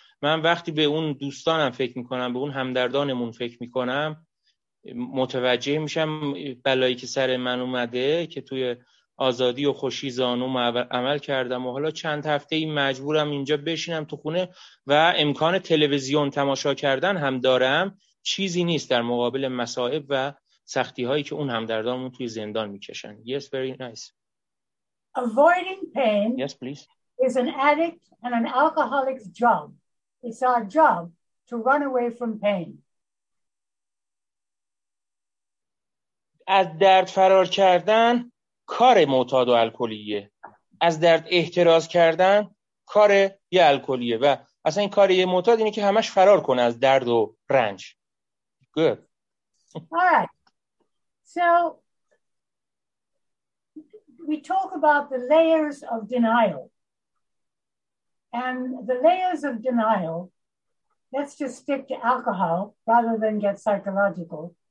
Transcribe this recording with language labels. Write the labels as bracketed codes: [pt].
[fa] من وقتی به اون دوستانم فکر میکنم، به اون همدردانمون فکر میکنم، متوجه میشم بلایی که سر من اومده، که توی آزادی و خوشی زانوم عمل کردم و حالا چند هفته این مجبورم اینجا بشینم تو خونه و امکان تلویزیون تماشا کردن هم دارم، چیزی نیست در مقابل مصائب و سختی هایی که اون همدردانمون توی زندان میکشن. [en] Yes, very nice. Avoiding pain, yes, please, is an addict and an alcoholic's job. It's our job to run away from pain. [fa] از درد فرار کردن کار معتاد و الکلیه، از درد احتراز کردن کار یه الکلیه، و اصلا این کار یه معتاد اینه که همش فرار کنه از درد و رنج. [en] Good. All right. So we talk about the layers of denial. And the layers of denial, let's just stick to alcohol rather than get psychological.